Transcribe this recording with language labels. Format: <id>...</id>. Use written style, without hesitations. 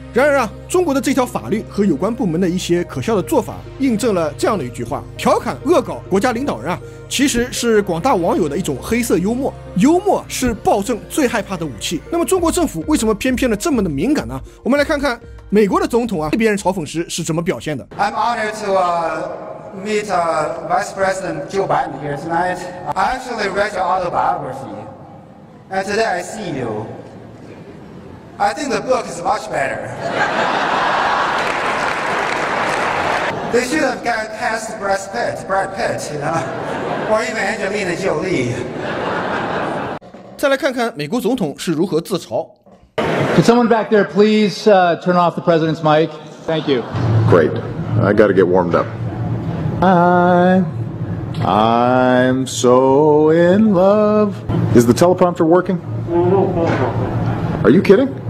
<zh>然而啊，中国的这条法律和有关部门的一些可笑的做法印证了这样的一句话，调侃恶搞国家领导人啊，其实是广大网友的一种黑色幽默，幽默是暴政最害怕的武器。那么中国政府为什么偏偏的这么的敏感呢？我们来看看美国的总统啊，被别人嘲讽时是怎么表现的。</zh> <en>I'm honored to meet Vice President Joe Biden here tonight. I actually read your autobiography and today I see youI think the book is much better. They should have cast Brad Pitt, you know, or even Angelina Jolie.</en> <zh>再来看看美国总统是如何自嘲。</zh> <en>Can someone back there please turn off the president's mic? Thank you. Great. I got to get warmed up. I'm so in love. Is the teleprompter working? Are you kidding?</en>